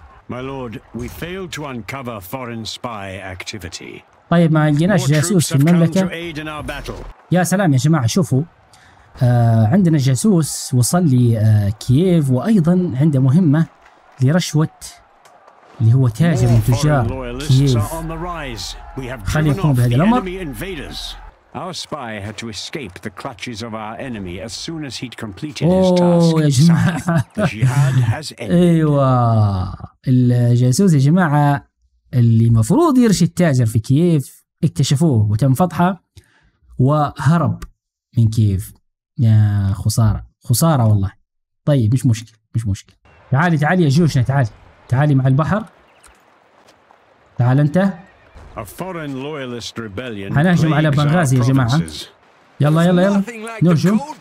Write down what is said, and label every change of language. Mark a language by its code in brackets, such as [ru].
[en] My lord, we failed to uncover foreign spy activity. [ar] طيب ما لقيناش جاسوس في المملكة. يا سلام يا جماعة، شوفوا عندنا جاسوس وصل لي كييف، وأيضا عنده مهمة لرشوة اللي هو تاجر وتجار كييف. خلينا نقوم بهذا الأمر. [en] Our spy had to escape the clutches of our enemy as soon as he'd completed his task. The jihad has ended. [ar] ايوه الجاسوس يا جماعه اللي مفروض يرشي التاجر في كييف اكتشفوه وتم فضحه وهرب من كييف. يا خساره خساره والله. طيب مش مشكله مش مشكله، تعالي تعالي يا جيوشنا، تعالي تعالي مع البحر، تعال انت. [en] A foreign loyalist rebellion. [ar] هنهجم على بنغازي يا جماعة. يلا يلا يلا. نهجم.